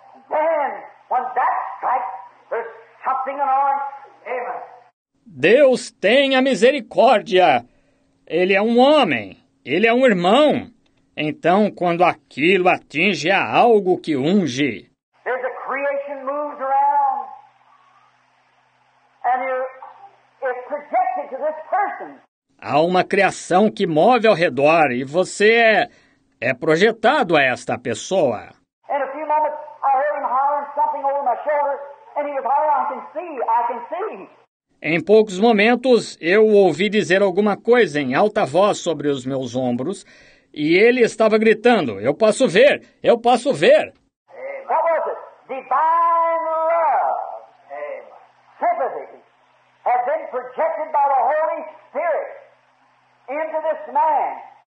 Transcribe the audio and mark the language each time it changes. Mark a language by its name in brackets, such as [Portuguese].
[English] Then, when that strikes, there's something in our... Amen. [Portuguese] Deus tenha misericórdia. Ele é um homem. Ele é um irmão. Então, quando aquilo atinge a algo que unge... [English] There's a creation moves around. And it's projected to this person. [Portuguese] Há uma criação que move ao redor e você é projetado a esta pessoa. [English] In a few moments, I heard him hollering something over my shoulder. And he was hollering, I can see. [Portuguese] Em poucos momentos, eu ouvi dizer alguma coisa em alta voz sobre os meus ombros e ele estava gritando, eu posso ver, eu posso ver. [English] What was it? Divine love. Sympathy has been projected by the Holy Spirit into this man.